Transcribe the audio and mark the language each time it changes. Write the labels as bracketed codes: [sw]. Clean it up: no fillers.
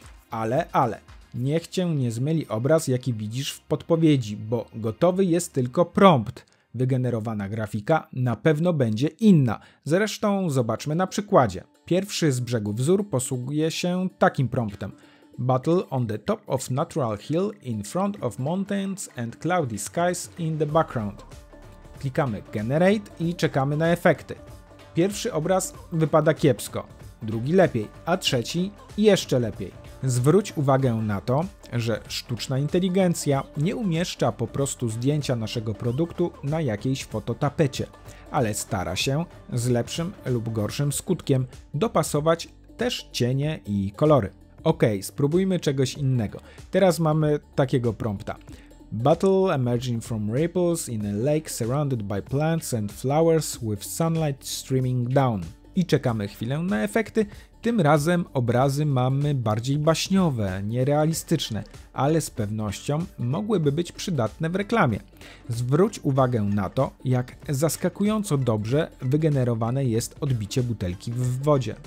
[pl] Ale, niech Cię nie zmyli obraz, jaki widzisz w podpowiedzi, bo gotowy jest tylko prompt. Wygenerowana grafika na pewno będzie inna. Zresztą zobaczmy na przykładzie. Pierwszy z brzegu wzór posługuje się takim promptem. [en] Battle on the top of natural hill in front of mountains and cloudy skies in the background. [pl] Klikamy Generate i czekamy na efekty. Pierwszy obraz wypada kiepsko, drugi lepiej, a trzeci jeszcze lepiej. Zwróć uwagę na to, że sztuczna inteligencja nie umieszcza po prostu zdjęcia naszego produktu na jakiejś fototapecie, ale stara się z lepszym lub gorszym skutkiem dopasować też cienie i kolory. Ok, spróbujmy czegoś innego. Teraz mamy takiego prompta. [en] Battle emerging from ripples in a lake surrounded by plants and flowers with sunlight streaming down. [pl] I czekamy chwilę na efekty. Tym razem obrazy mamy bardziej baśniowe, nierealistyczne, ale z pewnością mogłyby być przydatne w reklamie. Zwróć uwagę na to, jak zaskakująco dobrze wygenerowane jest odbicie butelki w wodzie.